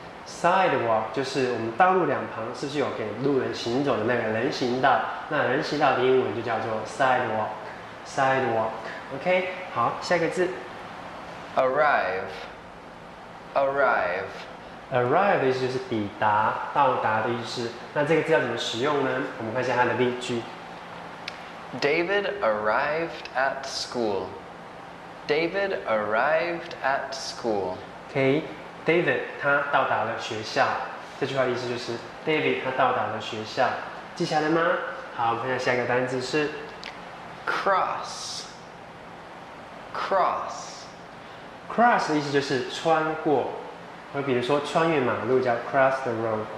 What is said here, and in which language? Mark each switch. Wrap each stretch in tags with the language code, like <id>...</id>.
<zh>sidewalk 就是我们道路两旁是不是有给路人行走的那个人行道，那人行道的英文就叫做 sidewalk。 sidewalk。 OK， 好，下一个字</zh> <en>arrive。 arrive。</en> <zh>arrive 的意思就是抵达，到达的意思。那这个字要怎么使用呢？我们看一下它的例句。</zh> <en>David arrived at school. David arrived at school.</en> <zh>Okay, David 他到达了学校。这句话意思就是 David 他到达了学校。记下来了吗？好，我们看一下下一个单字是</zh> <en>cross. cross.</en> <zh>cross 的意思就是穿过，或比如说穿越马路叫</zh> <en>cross the road.</en>